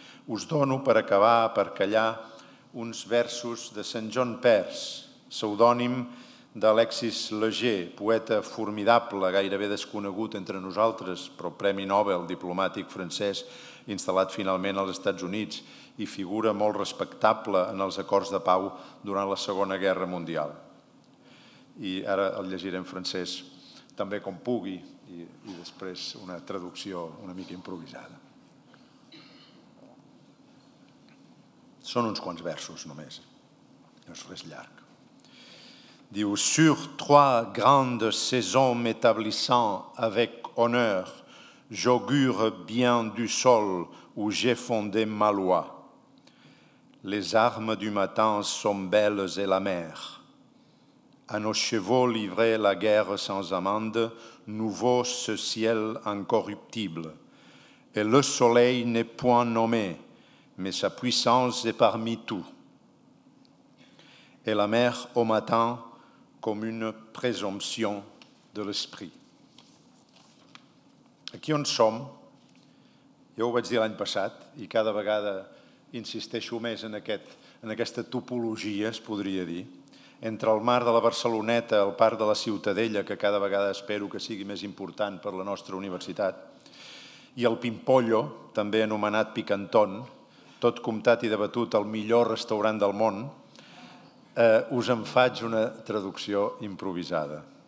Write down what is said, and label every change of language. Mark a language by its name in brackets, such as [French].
[Catalan] us dono per acabar, per callar, uns versos de Sant John Peirce, pseudònim d'Alexis Leger, poeta formidable, gairebé desconegut entre nosaltres, però Premi Nobel, diplomàtic francès, instal·lat finalment als Estats Units i figura molt respectable en els acords de pau durant la Segona Guerra Mundial. I ara el llegiré en francès, també com pugui, i després una traducció una mica improvisada. Són uns quants versos, només. No és res llarg. Diu, [French] sur trois grandes saisons m'établissant avec honneur, j'augure bien du sol où j'ai fondé ma loi. Les armes du matin sont belles et la mer. À nos chevaux livrés la guerre sans amende, nouveau ce ciel incorruptible. Et le soleil n'est point nommé, mais sa puissance est parmi tout. Et la mer au matin comme une présomption de l'esprit. [Catalan] Aquí on som, jo ho vaig dir l'any passat, i cada vegada insisteixo més en, aquesta topologia, es podria dir, entre el mar de la Barceloneta, el parc de la Ciutadella, que cada vegada espero que sigui més important per la nostra universitat, i el Pimpollo, també anomenat Picantón, tot comptat i debatut el millor restaurant del món, us en faig una traducció improvisada.